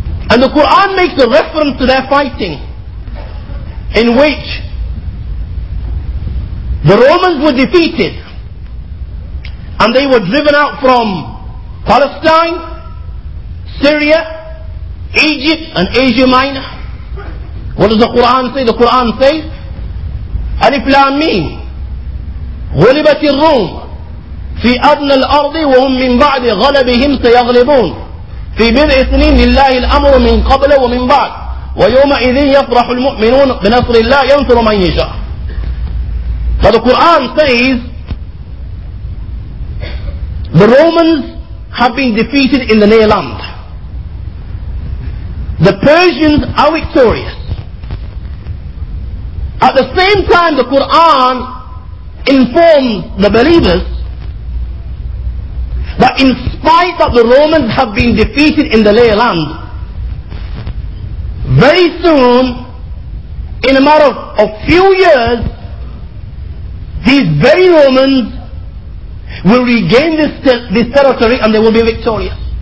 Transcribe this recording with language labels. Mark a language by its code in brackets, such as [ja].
[en] And the Quran makes a reference to their fighting, in which the Romans were defeated. And they were driven out from Palestine, Syria, Egypt, and Asia Minor. What does the Quran say? The Quran says, [ar] Alif Lam Mim, غلبت الروم في أدنى الأرض وهم من بعد غلبهم سيغلبون في بضع سنين لله الأمر من قبل ومن بعد ويومئذ يفرح المؤمنون بنصر الله ينصر من يشاء. [en] But the Quran says, the Romans have been defeated in the near land. The Persians are victorious. At the same time, the Quran informs the believers that in spite of the Romans have been defeated in the near land, very soon, in a matter of few years, these very Romans will regain this territory and they will be victorious.